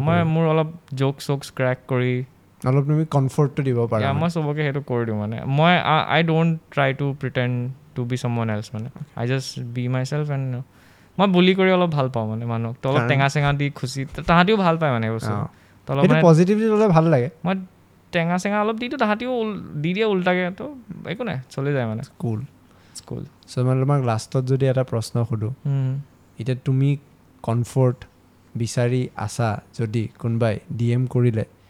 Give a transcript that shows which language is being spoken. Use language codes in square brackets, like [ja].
[as] মই মোৰ অলপ জ'ক চ'কছ ক্ৰেক কৰি অলপ তুমি কমফৰ্টটো দিব পাৰা মই চবকে সেইটো কৰি দিওঁ মানে মই [en] I don't try to pretend to be someone else [as] মানে [en] I just be myself [as] and মই বুলি কৰি অলপ ভাল পাওঁ মানে মানুহক তো অলপ টেঙা চেঙা দি খুচি তাহাঁতিও ভাল পায় মানে বস্তু ভাল লাগে মই টেঙা চেঙা অলপ দিওঁ তাহাঁতিও দি দিয়ে উল্টাকৈ তো একো নাই চলি যায় মানে স্কুল তোমাক লাষ্টত যদি এটা প্ৰশ্ন সোধোঁ এতিয়া তুমি কমফৰ্ট বিচাৰি আছা যদি কোনোবাই ডি এম কৰিলে